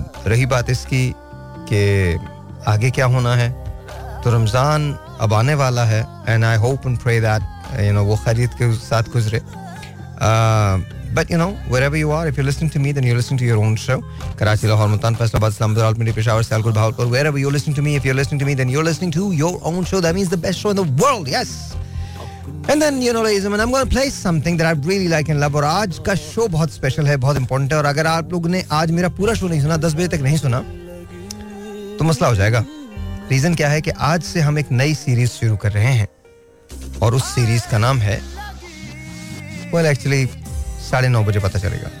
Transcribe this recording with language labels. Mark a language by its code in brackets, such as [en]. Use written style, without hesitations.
[hi] रही बात इसकी कि आगे क्या होना है, तो रमज़ान अब आने वाला है [en] and I hope and pray that you know [hi] वो खरीद के साथ गुजरे. [en] But you know wherever you are, if you listening to me then you listening to your own show. Karachi, Lahore, Multan, Faisalabad, Islamabad, Peshawar, Sialkot, Bahawalpur, wherever you listening to me, if you are listening to me then you are listening to your own show. That means the best show in the world. Yes. And then, you know, ladies and gentlemen, I'm going to play something that I really like and love. [hi] और आज का show बहुत special है, बहुत important है. और अगर आप लोगों ने आज मेरा पूरा शो नहीं सुना, 10 बजे तक नहीं सुना, तो मसला हो जाएगा. रीजन क्या है कि आज से हम एक नई सीरीज शुरू कर रहे हैं और उस सीरीज का नाम है, [en] well actually [hi] 9:30 बजे पता चलेगा.